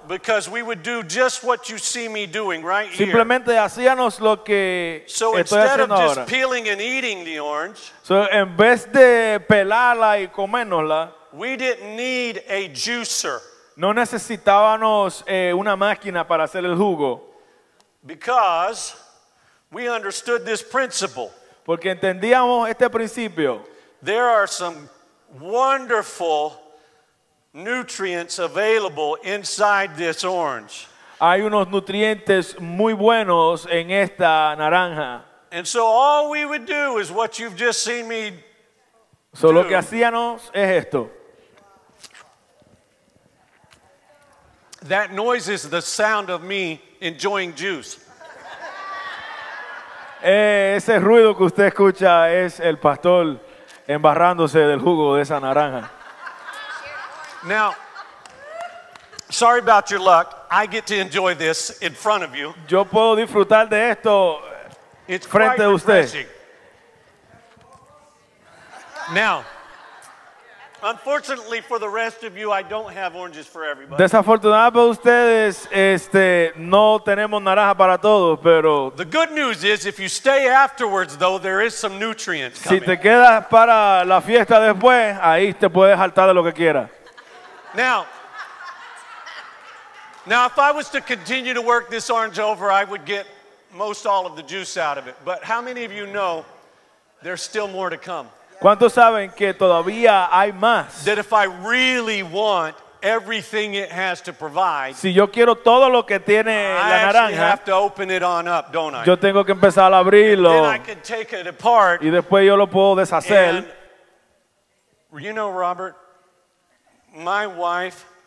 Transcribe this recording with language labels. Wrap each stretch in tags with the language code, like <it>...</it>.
<en>Because we would do just what you see me doing right here.</en> <es>Simplemente hacíamos lo que estoy haciendo ahora.</es> <en>So instead of just peeling and eating the orange,</en> <es>so en vez de pelarla y comérnosla,</es> <en>we didn't need a juicer.</en> <es>No necesitábamos una máquina para hacer el jugo.</es> <en>Because we understood this principle.</en> <es>Porque entendíamos este principio.</es> <en>There are some wonderful nutrients available inside this orange.</en> <es>Hay unos nutrientes muy buenos en esta naranja.</es> <en>And so all we would do is what you've just seen me do.</en> <es>So lo que hacíamos es esto.</es> <en>That noise is the sound of me enjoying juice.</en> <es>Ese ruido que usted escucha es el pastor embarrándose del jugo de esa naranja.</es> <en>Now, sorry about your luck. I get to enjoy this in front of you.</en> <es>Yo puedo disfrutar de esto frente a usted.</es> <en>Now, unfortunately for the rest of you, I don't have oranges for everybody.</en> <es>Desafortunadamente para ustedes, no tenemos naranja para todos, pero</es> <en>the good news is, if you stay afterwards, though, there is some nutrients coming.</en> <es>Si te quedas para la fiesta después, ahí te puedes hartar de lo que quieras.</es> <en>Now, if I was to continue to work this orange over, I would get most all of the juice out of it. But how many of you know there's still more to come?</en> <es>¿Cuántos saben que todavía hay más?</es> <en>That if I really want everything it has to provide,</en> <es>si yo quiero todo lo que tiene la naranja,</es> <en>I have to open it on up, don't I?</en> <es>Yo tengo que empezar a abrirlo.</es> <en>And then I can take it apart.</en> <es>Y después yo lo puedo deshacer.</es> <en>And, you know, Robert, my wife,</en>